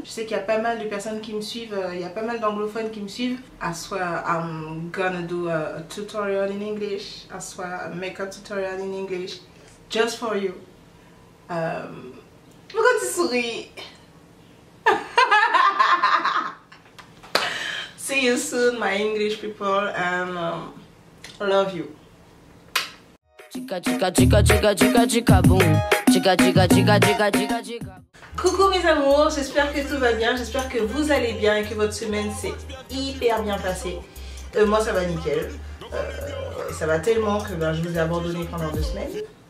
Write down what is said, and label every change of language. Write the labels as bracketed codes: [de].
[fr] Je sais qu'il y a pas mal de personnes qui me suivent, il y a pas mal d'anglophones qui me suivent. [en] I swear I'm gonna do a tutorial in English. I swear a makeup tutorial in English just for you. [fr] Pourquoi tu souris? [en] See you soon my English people and love you. [fr] Coucou mes amours, j'espère que tout va bien, j'espère que vous allez bien et que votre semaine s'est hyper bien passée. Moi ça va nickel, ça va tellement que ben, je vous ai abandonné pendant deux semaines.